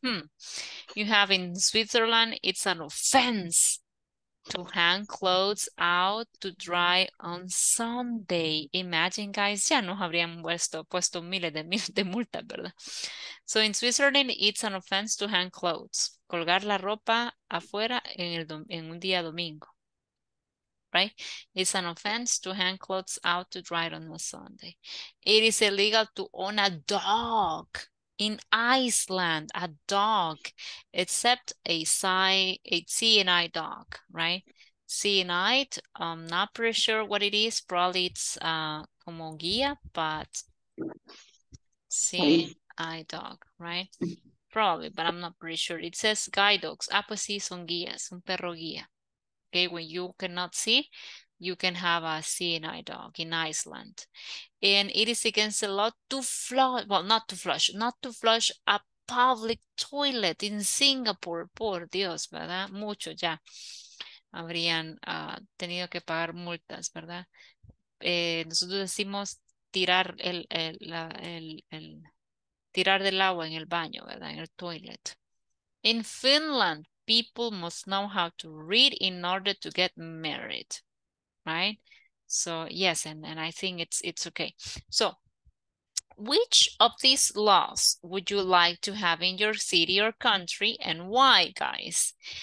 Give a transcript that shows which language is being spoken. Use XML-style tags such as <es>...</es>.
<en>You have in Switzerland, it's an offense to hang clothes out to dry on Sunday. Imagine, guys,</en> <es>ya no habrían puesto miles de multas, ¿verdad?</es> <en>So in Switzerland, it's an offense to hang clothes.</en> <es>Colgar la ropa afuera en un día domingo, right?</es> <en>It's an offense to hang clothes out to dry on a Sunday. It is illegal to own a dog in Iceland, a dog, except a CNI dog, right? CNI, I'm not pretty sure what it is. Probably it's</en> <es>como guía,</es> <en>but CNI dog, right? Probably, but I'm not pretty sure. It says guide dogs.</en> <es>Ah, pues sí, son guías, un perro guía.</es> <en>Okay, when you cannot see, you can have a CNI dog in Iceland. And it is against the law to flush, well, not to flush a public toilet in Singapore.</en> <es>Por Dios, ¿verdad? Mucho ya. Habrían tenido que pagar multas, ¿verdad? Nosotros decimos tirar el tirar del agua en el baño, ¿verdad? En el toilet.</es> <en>In Finland, people must know how to read in order to get married, right? So, yes, and I think it's okay. So, which of these laws would you like to have in your city or country and why, guys?</en>